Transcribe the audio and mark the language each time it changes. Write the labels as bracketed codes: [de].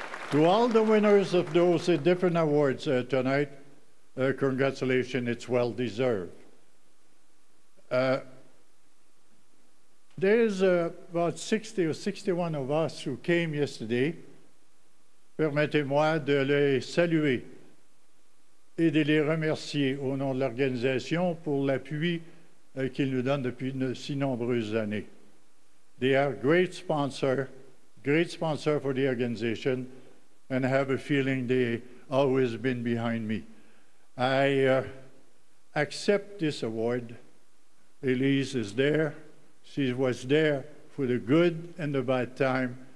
[en] To all the winners of those different awards tonight, congratulations, it's well deserved. There's about 60 or 61 of us who came yesterday. [fr] Permettez-moi de les saluer et de les remercier au nom de l'organisation pour l'appui qu'ils nous donnent depuis si nombreuses années. [en] They are great sponsor for the organization, and I have a feeling they always been behind me. I accept this award. Elise is there. She was there for the good and the bad time.